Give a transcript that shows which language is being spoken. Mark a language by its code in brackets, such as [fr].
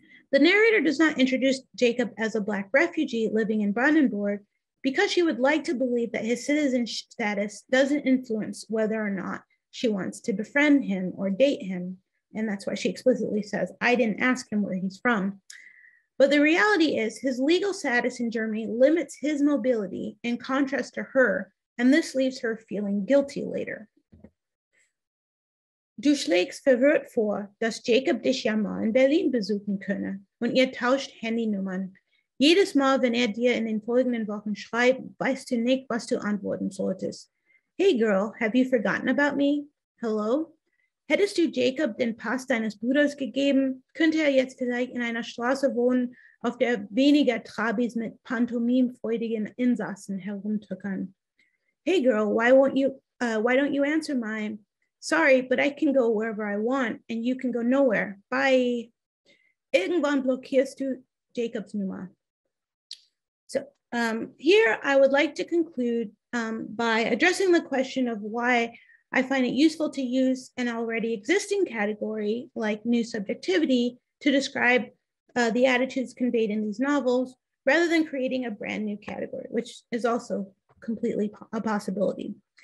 [en] The narrator does not introduce Jacob as a Black refugee living in Brandenburg because she would like to believe that his citizen status doesn't influence whether or not she wants to befriend him or date him. And that's why she explicitly says, I didn't ask him where he's from. But the reality is his legal status in Germany limits his mobility in contrast to her, and this leaves her feeling guilty later. [de] Du schlägst verwirrt vor, dass Jacob dich ja mal in Berlin besuchen könne, und ihr tauscht Handynummern. Jedes Mal, wenn dir in den folgenden Wochen schreibt, weißt du nicht, was du antworten solltest. [en] Hey girl, have you forgotten about me? Hello? [de] Hättest du Jacob den Pass deines Bruders gegeben, könnte jetzt vielleicht in einer Straße wohnen, auf der weniger Trabis mit pantomimfreudigen Insassen herumtuckern. [en] Hey girl, why don't you answer mine? Sorry, but I can go wherever I want and you can go nowhere. Bye. [de] Irgendwann blockierst du Jacobs Nummer. [en] So here I would like to conclude by addressing the question of why I find it useful to use an already existing category like new subjectivity to describe the attitudes conveyed in these novels rather than creating a brand new category, which is also completely a possibility.